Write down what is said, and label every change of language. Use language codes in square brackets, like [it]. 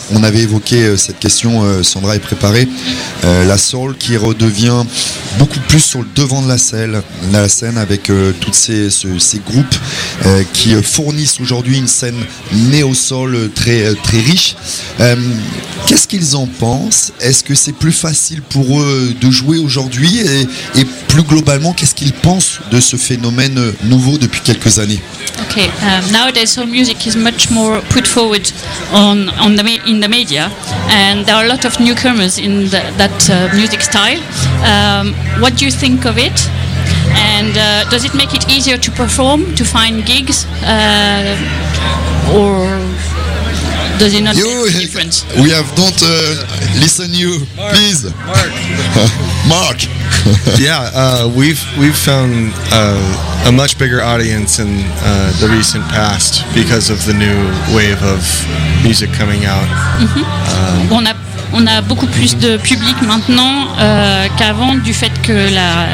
[fr] On avait évoqué cette question, Sandra est préparée. La soul qui redevient beaucoup plus sur le devant de la scène avec toutes ces groupes qui fournissent aujourd'hui une scène néo-soul très très riche. Qu'est-ce qu'ils en pensent? Est-ce que c'est plus facile pour eux de jouer aujourd'hui? Et plus globalement, qu'est-ce qu'ils pensent de ce phénomène nouveau depuis quelques années? [en] Okay, nowadays soul music is much more put forward in the media, and there are a lot of newcomers in that music style. What do you think of it? And does it make it easier to perform, to find gigs, or does it not make a difference? We have don't listen you, Mark, please. Mark. Yeah, we've found a much bigger audience in the recent past because of the new wave of music coming out. [fr] Mm-hmm. On a on a beaucoup plus de public maintenant qu'avant, du fait que la,